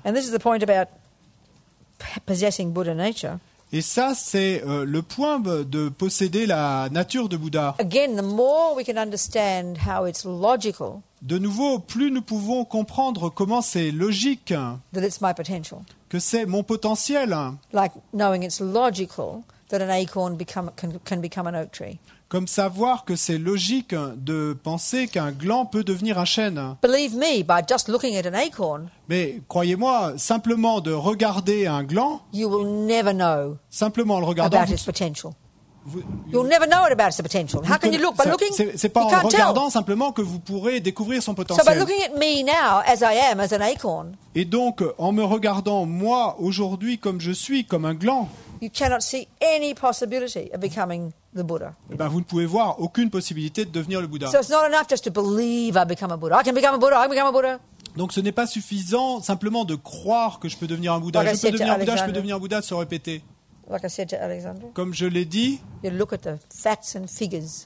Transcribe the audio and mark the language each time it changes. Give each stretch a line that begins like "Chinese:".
English: And this is the point about possessing Buddha nature.
French: Et ça, c'est le point de posséder la nature de Bouddha.
English: Again, the more we can understand how it's logical.
French: De nouveau, plus nous pouvons comprendre comment c'est logique.
English: That it's my potential.
French: Que c'est mon potentiel.
English: Like knowing it's logical. That an acorn can become an oak tree.
French: Comme savoir que c'est logique de penser qu'un gland peut devenir un chêne.
English: Believe me, by just looking at an acorn.
French: Mais croyez-moi, simplement de regarder un gland.
English: You will never know.
French: Simplement en le regardant.
English: About its potential. You'll never know it about its potential. How can you look by looking?
French: C'est pas en regardant simplement que vous pourrez découvrir son potentiel.
English: So by looking at me now as I am, as an acorn.
French: Et donc en me regardant moi aujourd'hui comme je suis, comme un gland.
English: You cannot see any possibility of becoming the Buddha.
French: Et ben, vous ne pouvez voir aucune possibilité de devenir le Bouddha.
English: So it's not enough just to believe I become a Buddha. I can become a Buddha. I can become a Buddha.
French: Donc ce n'est pas suffisant simplement de croire que je peux devenir un Bouddha.
English: Like
French: je peux devenir un
English: Alexander,
French: Bouddha. Je peux devenir un Bouddha. Se répéter.
English: Like I said to Alexander.
French: Comme je l'ai dit.
English: You look at the facts and figures.